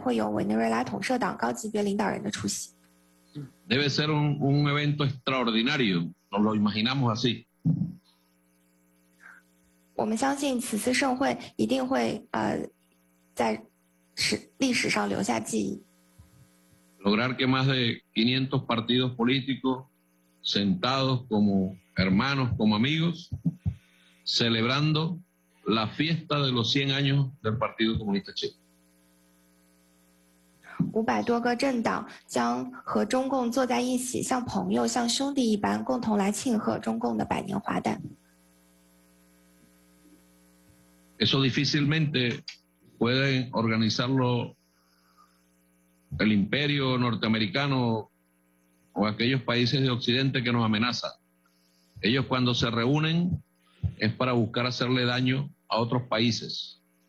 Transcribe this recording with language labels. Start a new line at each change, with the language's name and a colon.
Chinese: 同时，我也向您承诺，7月6号即将举行的中国共产党与世界政党高层对话会，这场盛会即将有500多个政党参加的盛会，一定也会有委内瑞拉统社党高级别领导人的出席。
Spanish: Debe ser un evento extraordinario, nos lo imaginamos así.
Chinese: 我们相信此次盛会一定会在历史上留下记忆。
Spanish: Lograr que más de 500 partidos políticos, sentados como hermanos, como amigos, celebrando la fiesta de los 100 años del Partido Comunista Chino.
Chinese: 500多个政党将和中共坐在一起， 像朋友, 像兄弟一般, 共同来庆贺中共的百年华诞。
Spanish: Eso difícilmente puede organizarlo el imperio norteamericano o aquellos países de Occidente que nos amenazan. Ellos cuando se reúnen es para buscar hacerle daño a otros países.